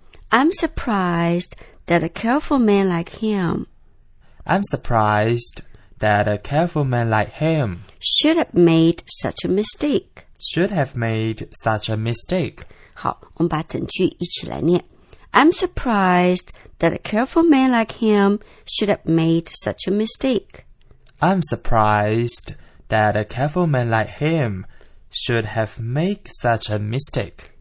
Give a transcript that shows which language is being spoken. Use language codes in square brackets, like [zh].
[en] I'm surprised that a careful man like him I'm surprised that a careful man like him should have made such a mistake should have made such a mistake [zh] 好，我们把整句一起来念。 [en] I'm surprised that a careful man like him should have made such a mistake I'm surprised that a careful man like him should have made such a mistake